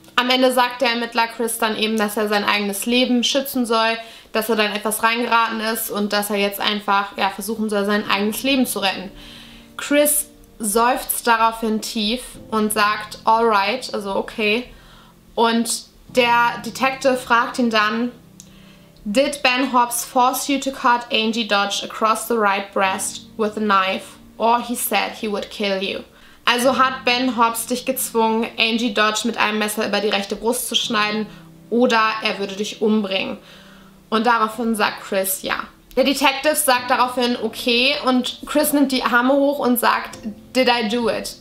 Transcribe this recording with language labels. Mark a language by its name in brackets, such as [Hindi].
[German] Am Ende sagt der Ermittler Chris dann eben, dass er sein eigenes Leben schützen soll, dass er dann etwas reingeraten ist und dass er jetzt einfach ja, versuchen soll, sein eigenes Leben zu retten. Chris seufzt daraufhin tief und sagt, alright, also okay. Und der Detective fragt ihn dann, [English] did Ben Hobbs force you to cut Angie Dodge across the right breast with a knife or he said he would kill you? [German] Also hat Ben Hobbs dich gezwungen, Angie Dodge mit einem Messer über die rechte Brust zu schneiden oder er würde dich umbringen? Und daraufhin sagt Chris ja. Der Detective sagt daraufhin okay und Chris nimmt die Arme hoch und sagt, [English] did I do it?